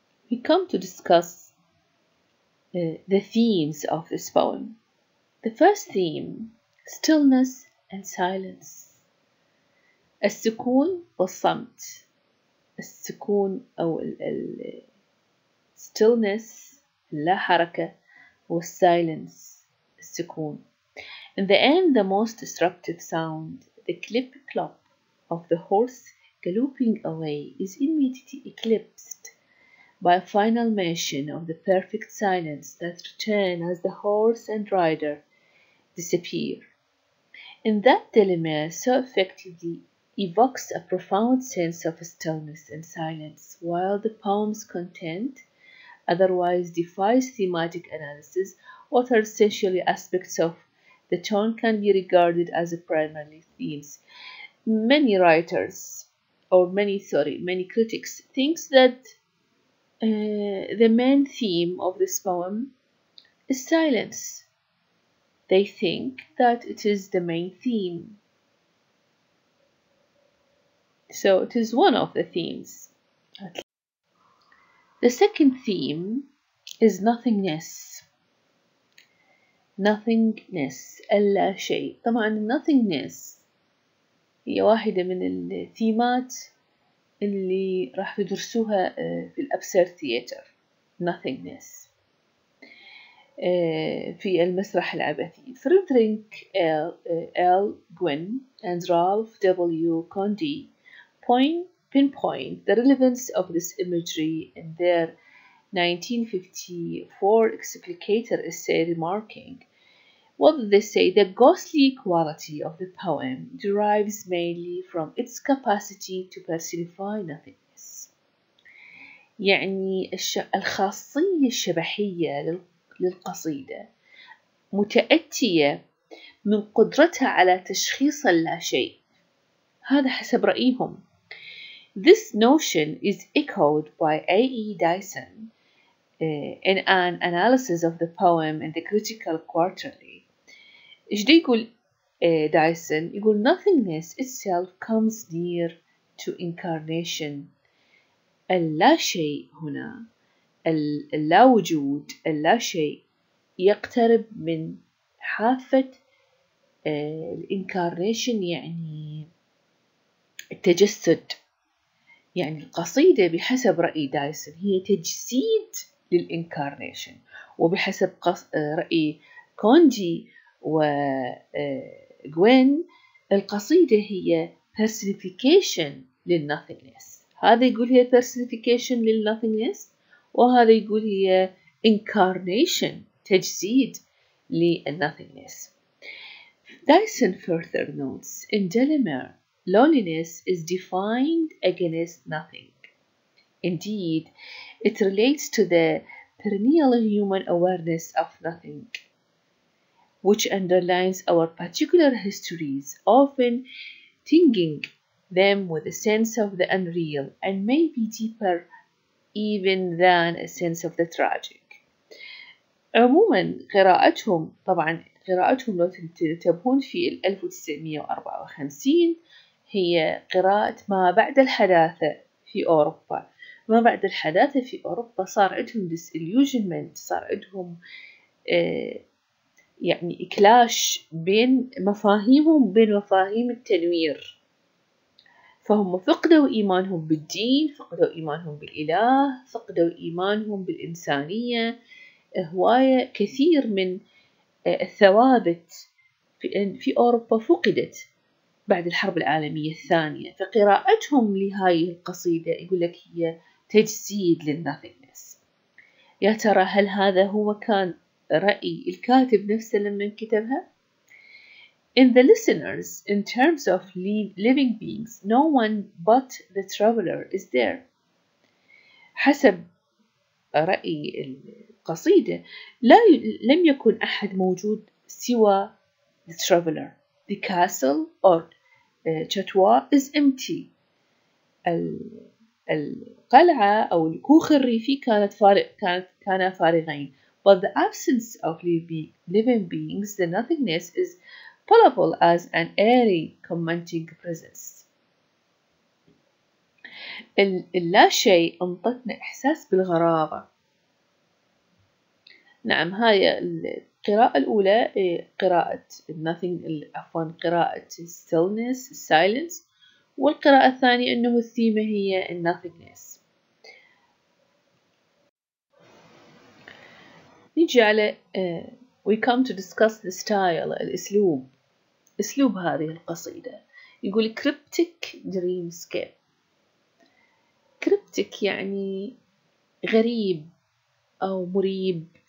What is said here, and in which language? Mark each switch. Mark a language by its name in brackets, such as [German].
[English] We come to discuss the themes of this poem. The first theme, stillness and silence. [Arabic] السكون والصمت. السكون أو الـ stillness لا حركة والsilence السكون. [English] In the end, the most disruptive sound, the clip-clop of the horse galloping away, is immediately eclipsed by a final mention of the perfect silence that return as the horse and rider disappear. In that delimere so effectively evokes a profound sense of stillness and silence, while the poem's content otherwise defies thematic analysis, what are essentially aspects of the tone can be regarded as the primary themes. Many writers, many critics, thinks that the main theme of this poem is silence. They think that it is the main theme. So it is one of the themes. The second theme is nothingness. [Arabic] Nothingness, لا شيء. طبعا nothingness هي واحدة من الثيمات اللي راح يدرسوها في الأبسرد ثياتر. Nothingness في المسرح العبثي. فريدريك إل غوين and رالف W. [English] Condee pinpoint the relevance of this imagery in their 1954 explicator essay, remarking, what they say, the ghostly quality of the poem derives mainly from its capacity to personify nothingness. [Arabic] يعني الخاصية الشبحية للقصيدة متأتية من قدرتها على تشخيص اللاشيء. هذا حسب رأيهم. [English] This notion is echoed by A.E. Dyson in an analysis of the poem in the Critical Quarterly. [Arabic] إيش دي يقول دايسون؟ يقول [English] nothingness itself comes near to incarnation. [Arabic] اللا شيء هنا، اللا وجود، اللا شيء يقترب من حافة الإنكارنيشن، يعني التجسد. يعني القصيدة بحسب رأي دايسون هي تجسيد للإنكارنيشن، وبحسب رأي كوندي و جوين القصيدة هي personification للnothingness. هذا يقول هي personification للnothingness، وهذا يقول هي incarnation، تجسيد للnothingness. [English] Dyson further notes, in Delamere, loneliness is defined against nothing. Indeed, it relates to the perennial human awareness of nothing, which underlines our particular histories, often tinging them with a sense of the unreal and maybe deeper even than a sense of the tragic. [Arabic] عموما قراءتهم، طبعا قراءتهم لو تنتبهون في 1954 هي قراءة ما بعد الحداثة في أوروبا. ما بعد الحداثة في أوروبا صار عندهم disillusionment، صار عندهم يعني إكلاش بين مفاهيمهم بين مفاهيم التنوير. فهم فقدوا إيمانهم بالدين، فقدوا إيمانهم بالإله، فقدوا إيمانهم بالإنسانية. هواية كثير من الثوابت في أوروبا فقدت بعد الحرب العالمية الثانية. فقراءتهم لهاي القصيدة يقول لك هي تجسيد للناثينس. يا ترى هل هذا هو كان رأي الكاتب نفسه لما كتبها؟ [English] In the listeners, in terms of living beings, no one but the traveler is there. [Arabic] حسب رأي القصيدة لم يكن أحد موجود سوى [English] the traveler. The castle or chatwa is empty. [Arabic] القلعة أو الكوخ الريفي كان فارغين. [English] But the absence of living beings, the nothingness, is palpable as an airy, commanding presence. [Arabic] اللا شيء أنطتنا إحساس بالغرابة. نعم هاي القراءة الأولى قراءة nothing, عفواً قراءة stillness, silence. والقراءة الثانية أنه الثيمة هي nothingness. نجي على [English] we come to discuss the style, [Arabic] الأسلوب. أسلوب هذه القصيدة يقول [English] cryptic dreamscape. [Arabic] cryptic يعني غريب أو مريب.